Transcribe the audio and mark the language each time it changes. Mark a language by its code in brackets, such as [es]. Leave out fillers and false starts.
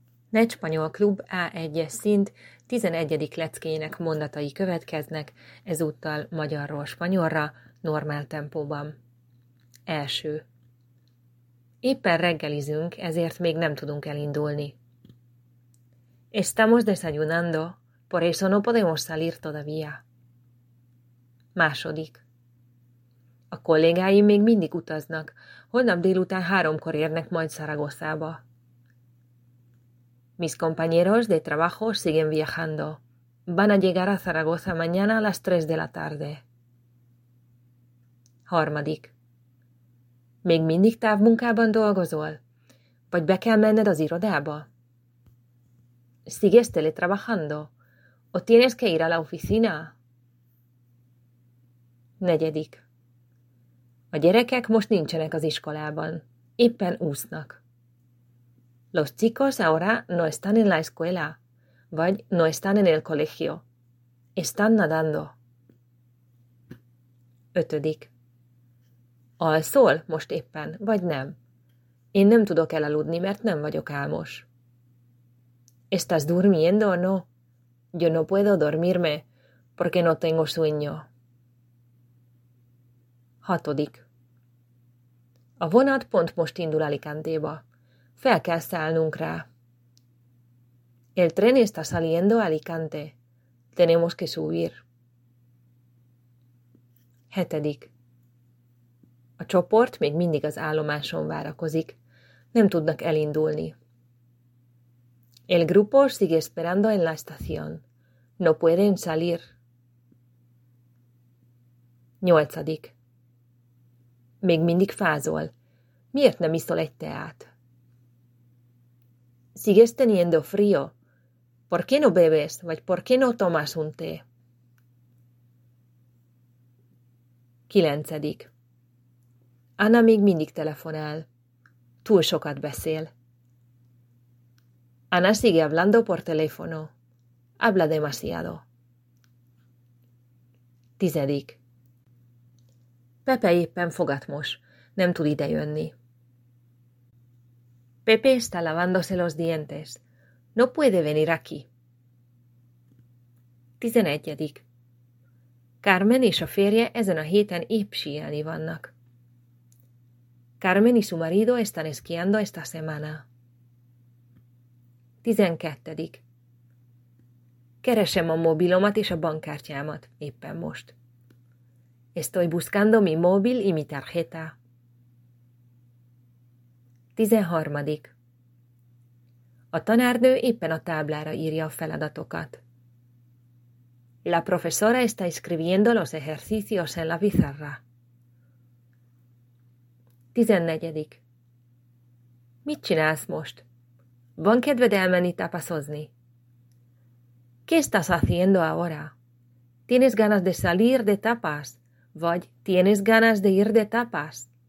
[hu] Necspanyol Klub A1-es szint 11. leckéjének mondatai következnek, ezúttal magyarról spanyolra, normál tempóban. Első. Éppen reggelizünk, ezért még nem tudunk elindulni. [es] Estamos desayunando, por eso no podemos salir todavía. [hu] Második. A kollégáim még mindig utaznak, holnap délután 3-kor érnek majd Zaragozába. [es] Mis compañeros de trabajo siguen viajando. Van a llegar a Zaragoza mañana a las 3 de la tarde. [hu] Harmadik. Még mindig távmunkában dolgozol? Vagy be kell menned az irodába? [es] ¿Sigues teletrabajando? ¿O tienes que ir a la oficina? [hu] Negyedik. A gyerekek most nincsenek az iskolában. Éppen úsznak. [es] Los chicos ahora no están en la escuela, [hu] vagy [es] no están en el colegio. Están nadando. [hu] Ötödik. Alszol most éppen, vagy nem? Én nem tudok elaludni, mert nem vagyok álmos. [es] ¿Estás durmiendo o no? Yo no puedo dormirme, porque no tengo sueño. [hu] Hatodik. A vonat pont most indul Alicantéba. Fel kell szállnunk rá. [es] El tren está saliendo a Alicante. Tenemos que subir. [hu] Hetedik. A csoport még mindig az állomáson várakozik. Nem tudnak elindulni. [es] El grupo sigue esperando en la estación. No pueden salir. [hu] Nyolcadik. Még mindig fázol. Miért nem iszol egy teát? [es] Sigues teniendo frío. ¿Por qué no bebes? [hu] Vagy [es] por qué no tomas un té? [hu] Kilencedik. Anna még mindig telefonál. Túl sokat beszél. [es] Anna sigue hablando por teléfono. Habla demasiado. [hu] Tizedik. Pepe éppen fogatmos. Nem tud idejönni. [es] Pepe está lavándose los dientes. No puede venir aquí. [hu] Tizenegyedik. Carmen és a férje ezen a héten épp síelni vannak. [es] Carmen y su marido están esquiando esta semana. [hu] 12. Keresem a mobilomat és a bankkártyámat éppen most. [es] Estoy buscando mi móvil y mi tarjeta. [hu] 13. A tanárnő éppen a táblára írja a feladatokat. [es] La profesora está escribiendo los ejercicios en la pizarra. [hu] 14. Mit csinálsz most? Van kedved elmenni tapaszozni? [es] ¿Qué estás haciendo ahora? ¿Tienes ganas de salir de tapas? [hu] Vagy [es] tienes ganas de ir de tapas?